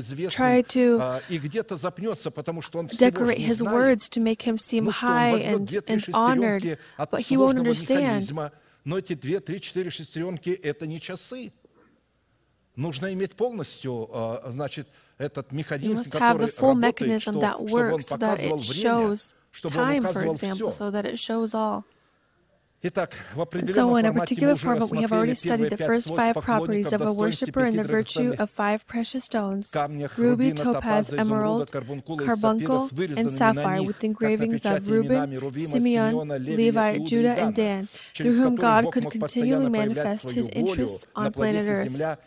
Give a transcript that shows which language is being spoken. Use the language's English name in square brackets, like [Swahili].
[English] try to decorate his words to make him seem high and honored, but he won't understand. [Russian] Но эти две, три, четыре шестеренки – это не часы. Нужно иметь полностью, значит, этот механизм, который работает, чтобы он показывал время, чтобы он показывал все. [English] And so in a particular format, we have already studied the first five properties of a worshipper and the virtue of five precious stones, ruby, topaz, emerald, carbuncle, and sapphire, with engravings of Reuben, Simeon, Levi, Judah, and Dan, through whom God could continually manifest his interests on planet Earth.